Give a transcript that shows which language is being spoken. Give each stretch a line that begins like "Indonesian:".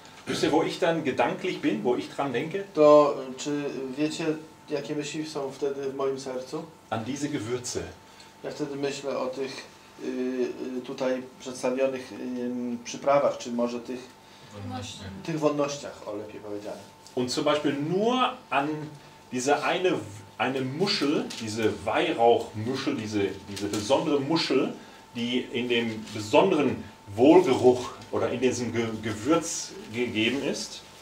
German: Wisst ihr, wo ich dann gedanklich bin, wo ich dran denke?
Polish: To czy wiecie, jakie myśli są wtedy w moim sercu?
German: An diese Gewürze.
Polish: Ja wtedy myślę o tych tutaj przedstawionych przyprawach, czy może tych wonnościach. Tych wonnościach, o lepiej powiedziane.
German: Und zum Beispiel nur an diese eine Muschel, diese Weihrauchmuschel, diese besondere Muschel, die in dem besonderen Wohlgeruch oder in diesem Gewürz gegeben ist.